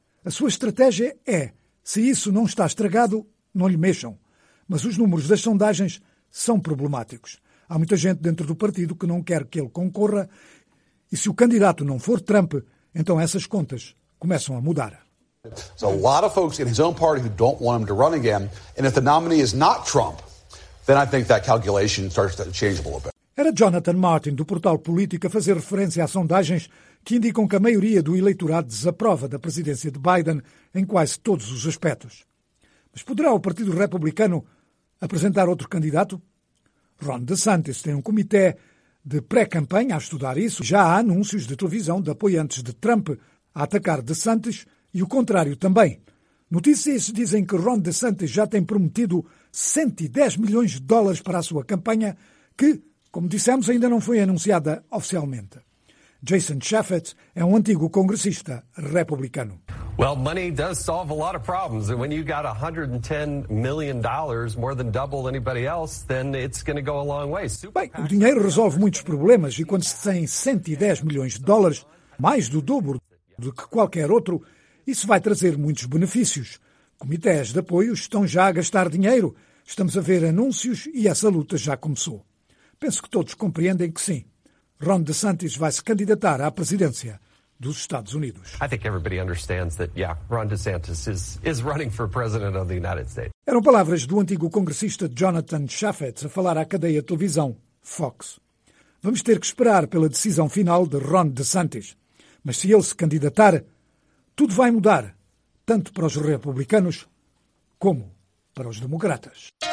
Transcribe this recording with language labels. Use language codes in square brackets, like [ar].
[pt] A sua estratégia é, se isso não está estragado, não lhe mexam. Mas os números das sondagens são problemáticos. Há muita gente dentro do partido que não quer que ele concorra. E se o candidato não for Trump, então essas contas começam a mudar. [en] There's a lot of folks in his own party who don't want him to run again. And if the nominee is not Trump, then I think that calculation starts to change a little bit. [pt] Era Jonathan Martin, do portal Política, a fazer referência às sondagens que indicam que a maioria do eleitorado desaprova da presidência de Biden em quase todos os aspectos. Mas poderá o Partido Republicano apresentar outro candidato? Ron DeSantis tem um comitê de pré-campanha a estudar isso. Já há anúncios de televisão de apoiantes de Trump a atacar DeSantis e o contrário também. Notícias dizem que Ron DeSantis já tem prometido 110 milhões de dólares para a sua campanha que, como dissemos, ainda não foi anunciada oficialmente. Jason Chaffetz é um antigo congressista republicano. [en] Well, money does solve a lot of problems, and when you got $110 million, more than double anybody else, then it's going to go a long way. [pt] Bem, o dinheiro resolve muitos problemas e quando se tem 110 milhões de dólares, mais do dobro do que qualquer outro, isso vai trazer muitos benefícios. Comitês de apoio estão já a gastar dinheiro. Estamos a ver anúncios e essa luta já começou. Penso que todos compreendem que sim. Ron DeSantis vai se candidatar à presidência dos Estados Unidos. [en] I think everybody understands that, yeah, Ron DeSantis is running for president of the United States. [pt] Eram palavras do antigo congressista Jonathan Chaffetz a falar à cadeia de televisão Fox. Vamos ter que esperar pela decisão final de Ron DeSantis. Mas se ele se candidatar, tudo vai mudar, tanto para os republicanos como para os democratas.